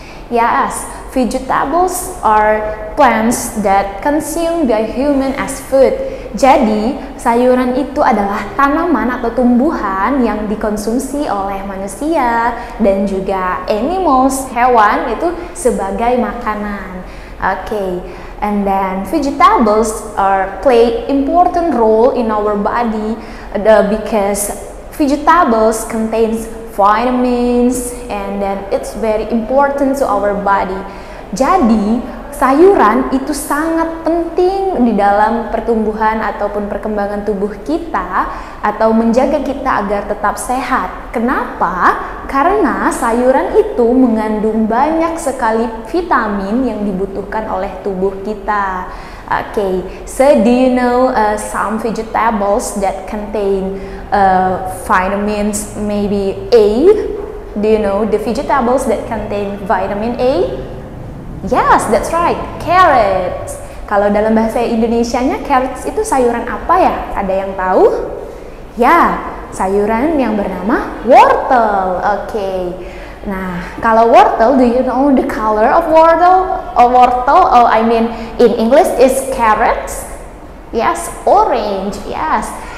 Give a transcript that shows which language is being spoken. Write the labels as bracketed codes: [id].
[en] Yes, vegetables are plants that consume by human as food. [id] Jadi, sayuran itu adalah tanaman atau tumbuhan yang dikonsumsi oleh manusia dan juga animals, hewan itu sebagai makanan. [en] Okay. And then vegetables are play important role in our body because vegetables contains vitamins and then it's very important to our body. [id] Jadi sayuran itu sangat penting di dalam pertumbuhan ataupun perkembangan tubuh kita atau menjaga kita agar tetap sehat. Kenapa? Karena sayuran itu mengandung banyak sekali vitamin yang dibutuhkan oleh tubuh kita. [en] Okay, so do you know some vegetables that contain vitamins maybe A? Do you know the vegetables that contain vitamin A? Yes, that's right, carrots. [id] Kalau dalam bahasa Indonesianya, carrots itu sayuran apa ya? Ada yang tahu? Ya, sayuran yang bernama wortel. Okay. Nah, kalau wortel, [en] do you know the color of wortel? In English is carrots. Yes, orange. Yes.